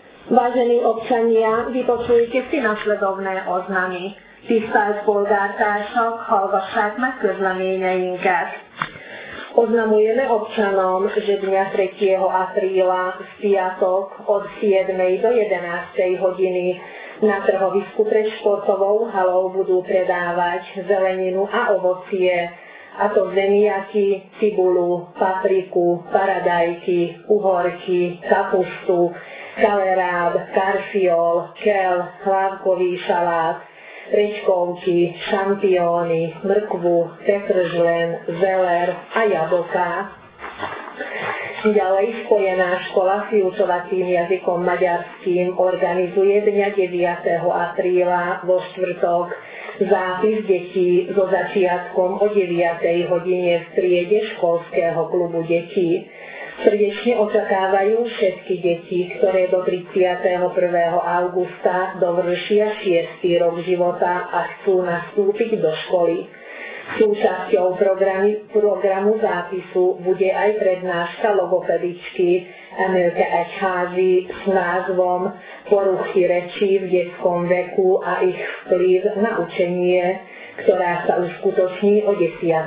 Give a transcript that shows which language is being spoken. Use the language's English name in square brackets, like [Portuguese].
[Slovak] Vážení občania, vypočujte si nasledovné oznamy. [Hungarian] Tisztelt polgártársak, hallgassák meg közleményeinket. [Slovak] Oznamujeme občanom, že dňa 3. apríla v piatok od 7. do 11. hodiny na trhovisku pred športovou halou budú predávať zeleninu a ovocie, a to zemiaky, cibulu, papriku, paradajky, uhorky, kapustu, kaleráb, karfiol, kel, hlávkový šalát, rečkovky, šampióny, mrkvu, petržlen, zeler a jablká. Ďalej Spojená škola s vyučovacím jazykom maďarským organizuje dňa 9. apríla vo štvrtok zápis detí so začiatkom o 9. hodine v triede školského klubu detí. Srdečne očakávajú všetky deti, ktoré do 31. augusta dovršia 6. rok života a chcú nastúpiť do školy. Súčasťou programu zápisu bude aj prednáška logopedičky Emilke Echházy s názvom Poruchy reči v detskom veku a ich vplyv na učenie, ktorá sa uskutoční o 10.